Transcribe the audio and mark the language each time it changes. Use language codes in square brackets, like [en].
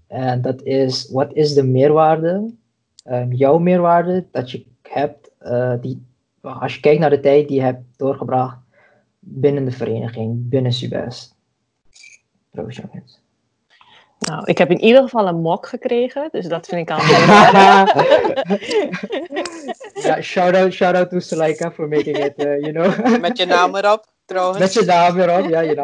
[nl] En dat is, wat is de meerwaarde, jouw meerwaarde, dat je hebt, als je kijkt naar de tijd die je hebt doorgebracht binnen de vereniging, binnen Subest? Proost, jongens. Nou, ik heb in ieder geval een mok gekregen, dus dat vind ik al [en] heel ja, shout-out to Selaika for making it, you know. [nl] Met je naam erop, trouwens. Met je naam erop, ja, je naam